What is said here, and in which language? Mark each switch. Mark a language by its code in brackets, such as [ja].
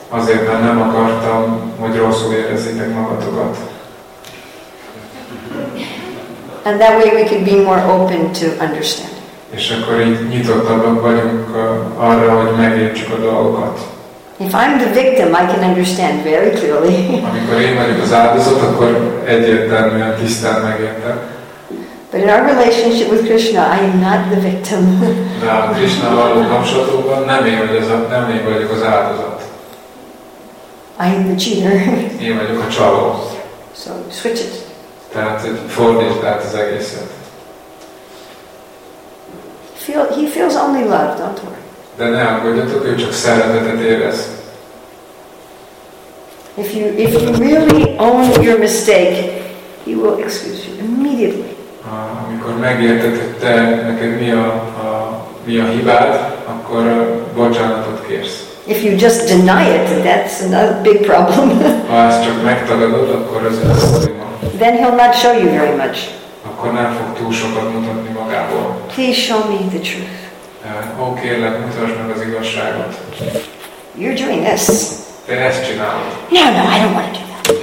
[hu] Azért, mert nem akartam, hogy rosszul érezzétek magatokat. [en] And that way we could be more open to understand. [hu] És akkor így nyitottabbak vagyunk arra, hogy megértsük a dolgokat. [en] If I'm the victim, I can understand very clearly. [hu] Amikor én vagyok az áldozat, akkor egyértelműen tisztán megértem. [en] But in our relationship with Krishna, I am not the victim. [hu] De a Krishna való kapcsolatokban nem én vagyok az áldozat. [en] I am the cheater. [hu] Én vagyok a csaló. [en] So switch it. [hu] Tehát fordítsd át az egészet. [en] He feels only love, don't worry. [hu] De ne aggódjatok, ő csak szeretetet érez. [en] If you really own your mistake, he will excuse you immediately. [hu] Amikor megérted, hogy te neked mi a hibád, akkor bocsánatot kérsz. [en] If you just deny it, that's another big problem. [hu] Ha ezt csak megtagadod, akkor ez egy probléma. [en] Then he'll not show you very much. [hu] Akkor nem fog túl sokat mutatni magából. [en] Please show me the truth. [hu] Kérlek, mutasd meg az igazságot. [en] You're doing this. [hu] Te ezt csinálod. [en] No, I don't want to do that.